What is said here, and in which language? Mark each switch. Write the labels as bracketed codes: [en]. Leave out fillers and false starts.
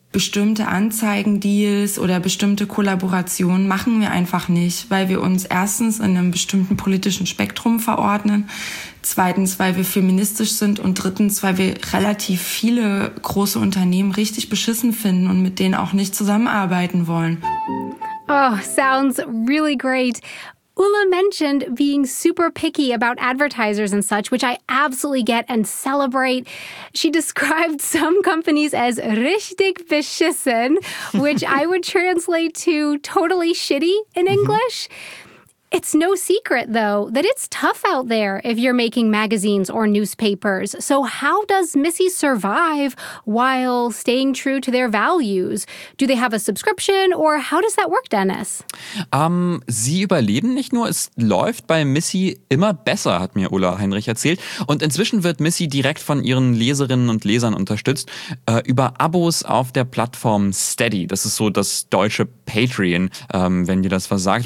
[de] Bestimmte Anzeigendeals oder bestimmte Kollaborationen machen wir einfach nicht, weil wir uns erstens in einem bestimmten politischen Spektrum verordnen, zweitens, weil wir feministisch sind und drittens, weil wir relativ viele große Unternehmen richtig beschissen finden und mit denen auch nicht zusammenarbeiten wollen. [en] Oh, sounds really great. Ulla mentioned being super picky about advertisers and such, which I absolutely get and celebrate. She described some companies as [de] richtig beschissen, [en] which I would translate to totally shitty in English. It's no secret, though, that it's tough out there if you're making magazines or newspapers. So how does Missy survive while staying true to their values? Do they have a subscription or how does that work, Dennis? [de] Sie überleben nicht nur, es läuft bei Missy immer besser, hat mir Ulla Heinrich erzählt. Und inzwischen wird Missy direkt von ihren Leserinnen und Lesern unterstützt über Abos auf der Plattform Steady. Das ist so das deutsche Patreon, wenn dir das was sagt.